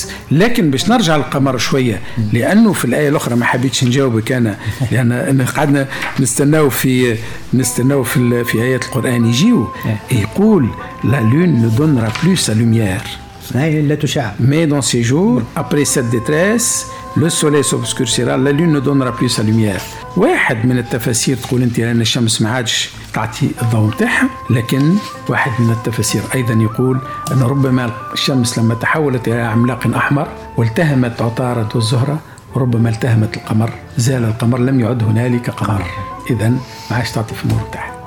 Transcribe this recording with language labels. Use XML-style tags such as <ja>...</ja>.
<ar>لكن باش نرجع للقمر شويه لانه في الايه الاخرى ما حبيتش نجاوبك انا لان يعني قعدنا نستناو في ايات القران يجيو يقول لا لون</ar> <fr>ne donnera plus sa lumière</fr> <ar>لا تشع</ar> <fr>mais dans ces jours après cette détresse le soleil s'obscurcira la lune ne donnera plus sa lumière.</fr> <ar>واحد من التفاسير تقول انت لان الشمس ما عادش تعطي الضوء نتاعها لكن واحد من التفاسير ايضا يقول ان ربما الشمس لما تحولت الى عملاق احمر والتهمت عطارد والزهره وربما التهمت القمر زال القمر لم يعد هنالك قمر اذا ما عادش تعطي في النور نتاعها.</ar>